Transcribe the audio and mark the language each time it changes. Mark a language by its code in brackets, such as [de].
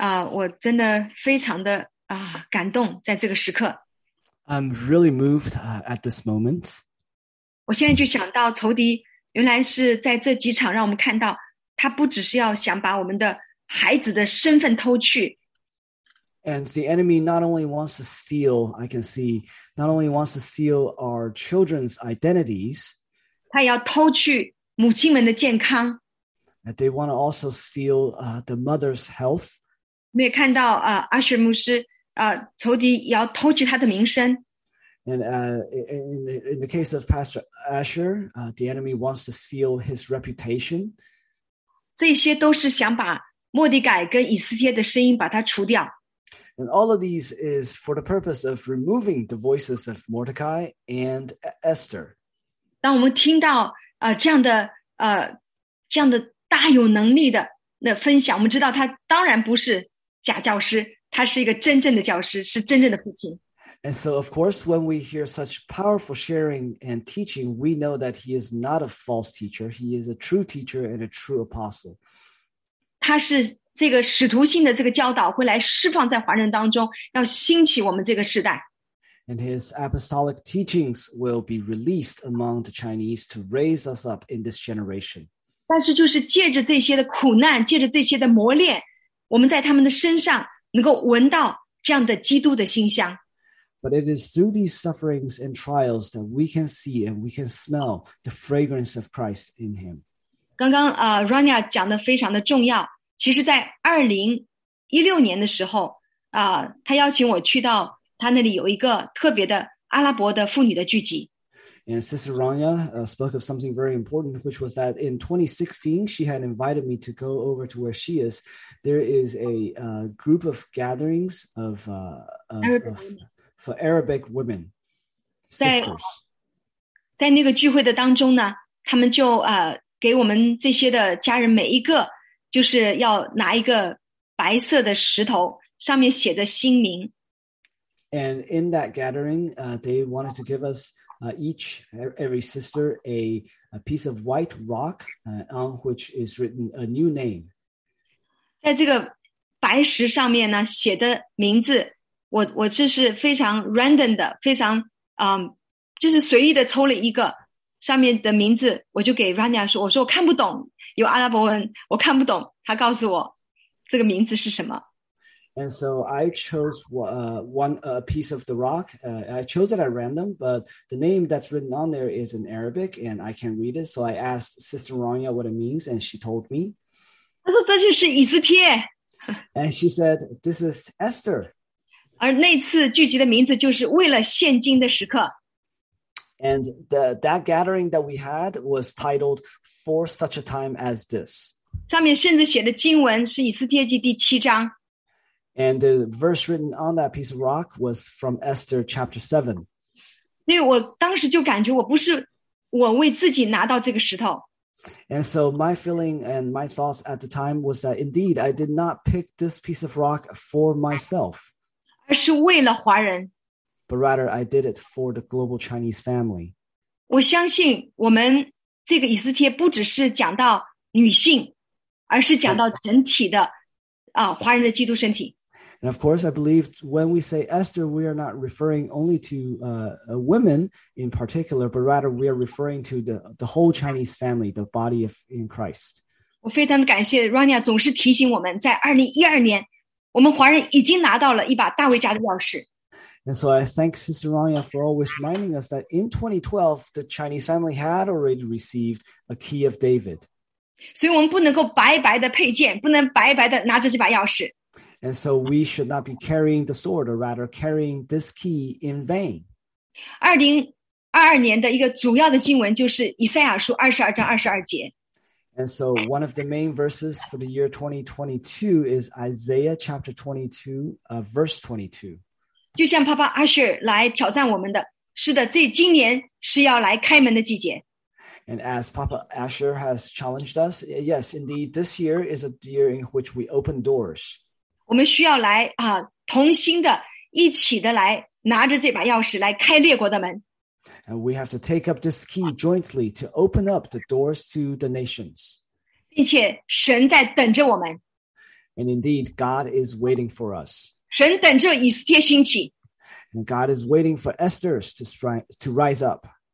[zh] 我真的非常的感动，在这个时刻。 [en] I'm really moved at this moment. [zh] 我现在就想到仇敌原来是在这几场让我们看到他不只是要想把我们的孩子的身份偷去。 [en] And the enemy not only wants to steal, I can see, not only wants to steal our children's identities. [zh] 他要偷去母亲们的健康。 [en] And they want to also steal the mother's health. [zh] 我们也看到阿什牧师仇敌也要偷去他的名声。 [en] And in the case of Pastor Asher, the enemy wants to steal his reputation. [zh] 这些都是想把莫迪改跟以斯帖的声音把它除掉。 [en] And all of these is for the purpose of removing the voices of Mordecai and Esther. [zh] 当我们听到这样的大有能力的那分享，我们知道他当然不是假教师。他是一个真正的教师，是真正的父亲。 [en] And so, of course, when we hear such powerful sharing and teaching, we know that he is not a false teacher. He is a true teacher and a true apostle. [zh] 他是这个使徒性的这个教导会来释放在华人当中，要兴起我们这个时代。 [en] And his apostolic teachings will be released among the Chinese to raise us up in this generation. [zh] 但是就是借着这些的苦难，借着这些的磨练，我们在他们的身上。能够闻到这样的基督的馨香。 [en] But it is through these sufferings and trials that we can see and we can smell the fragrance of Christ in him. [zh] 刚刚Rania 讲的非常的重要。其实在2016年的时候他邀请我去到他那里有一个特别的阿拉伯的妇女的聚集。 [en] And Sister Rania spoke of something very important, which was that in 2016, she had invited me to go over to where she is. There is a group of gatherings for Arabic women, sisters. [zh] 在那个聚会的当中呢，他们就给我们这些的家人每一个，就是要拿一个白色的石头，上面写着姓名。 [en] And in that gathering, they wanted to give us each, every sister, a piece of white rock on which is written a new name. [zh] 在这个白石上面呢，写的名字，我这是非常 [en] random [zh] 的，非常就是随意的抽了一个上面的名字，我就给 Rania 说，我说我看不懂，有阿拉伯文，我看不懂，他告诉我这个名字是什么。 [en] And so I chose one piece of the rock. I chose it at random, but the name that's written on there is in Arabic, and I can read it. So I asked Sister Rania what it means, and she told me. [zh] 她说这就是以斯帖。 [en] And she said, this is Esther. [zh] 而那次聚集的名字就是为了献金的时刻。 [en] And that gathering that we had was titled For Such a Time as This. [zh] 上面甚至写的经文是以斯帖记第七章。 [en] And the verse written on that piece of rock was from Esther chapter 7. [zh] 所以我当时就感觉我不是我为自己拿到这个石头。 [en] And so my feeling and my thoughts at the time was that indeed I did not pick this piece of rock for myself. [zh] 而是为了华人。 [en] But rather I did it for the global Chinese family. [zh] 我相信我们这个以斯帖不只是讲到女性，而是讲到整体的。华人的基督身体。 [en] And of course, I believe when we say Esther, we are not referring only to women in particular, but rather we are referring to the whole Chinese family, the body of in Christ. [zh] 我非常感谢 Rania 总是提醒我们，在2012年，我们华人已经拿到了一把大卫家的钥匙。 [en] And so I thank Sister Rania for always reminding us that in 2012, the Chinese family had already received a key of David. [zh] 所以我们不能够白白的佩剑，不能白白的拿着这把钥匙。 [en] And so we should not be carrying the sword, or rather carrying this key in vain. [zh] 2022年的一个主要的经文就是以赛亚书22章22节。 [en] And so one of the main verses for the year 2022 is Isaiah chapter 22, verse 22. [zh] 就像 Papa Asher 来挑战我们的，是的，这今年是要来开门的季节。 [en] And as Papa Asher has challenged us, yes, indeed, this year is a year in which we open doors. [zh] 我们需要来同心的一起的来拿着这把钥匙来开列国的门。 [en] And we have to take up this key jointly to open up the doors to the nations. [zh] 并且神在等着我们。 [en] And indeed, God is waiting for us. [zh] 神等着以斯帖兴起。 [en] And God is waiting for Esther's to rise up.